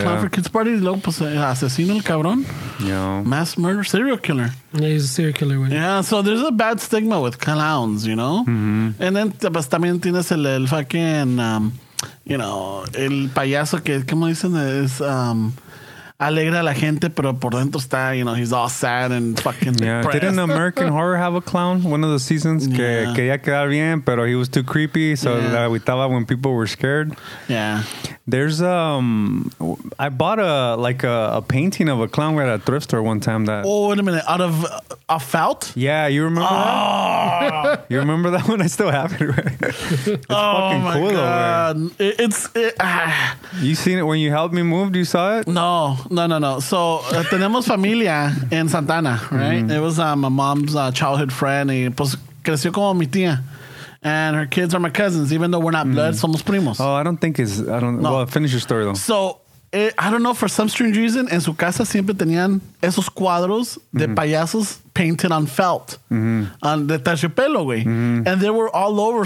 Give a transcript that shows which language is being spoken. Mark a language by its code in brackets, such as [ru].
[en] a clown for kids party, [es] loco, pues, asesino el cabrón. [en] Yeah. Mass murder, serial killer. Yeah, he's a serial killer. Right? Yeah, so there's a bad stigma with clowns, you know? Mm-hmm. [es] And then, pues, también tienes el fucking, you know, el payaso que, como dicen, es alegra a la gente, pero por dentro está, you know, [en] he's all sad and fucking depressed. Didn't American Horror have a clown one of the seasons? [es] Que quería quedar bien, pero [en] he was too creepy, so [es] la agüitaba [en] when people were scared. Yeah. There's, I bought a painting of a clown at a thrift store one time that... Oh, wait a minute. Out of a felt? Yeah, you remember that? You remember that one? I still have it. It's fucking cool, though. Oh, my God. You seen it when you helped me move? You saw it? No. So, [es] tenemos familia en Santana, [en] right? Mm-hmm. It was my mom's childhood friend. [es] Y pues creció como mi tía. [en] And her kids are my cousins, even though we're not blood, [es] somos primos. [en] Oh, I don't think it's... Well, finish your story, though. So, I don't know, for some strange reason, [es] en su casa siempre tenían esos cuadros de payasos [en] painted on felt. And [es] de tache pelo, [en] güey. And they were all over.